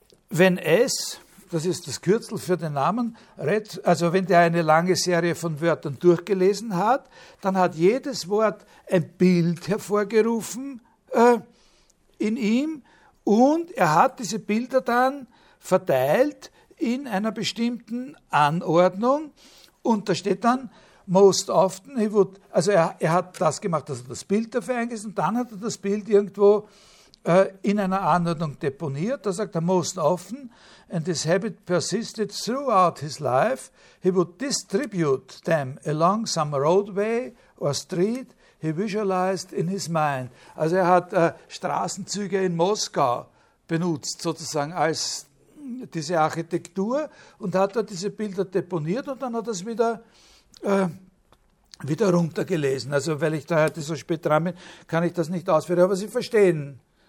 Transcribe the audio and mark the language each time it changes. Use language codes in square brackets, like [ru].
[de] Wenn es, das ist das Kürzel für den Namen, also wenn der eine lange Serie von Wörtern durchgelesen hat, dann hat jedes Wort ein Bild hervorgerufen in ihm und er hat diese Bilder dann verteilt in einer bestimmten Anordnung und da steht dann, [en] most often, he would, [de] also er hat das gemacht, dass er das Bild dafür eingesetzt und dann hat er das Bild irgendwo in einer Anordnung deponiert. Da sagt er, [en] most often, and this habit persisted throughout his life, he would distribute them along some roadway or street he visualized in his mind. [de] Also er hat Straßenzüge in Moskau benutzt, sozusagen als diese Architektur und hat dort diese Bilder deponiert und dann hat er es wieder runtergelesen. Also weil ich da heute so spät dran bin, kann ich das nicht ausführen, aber Sie verstehen.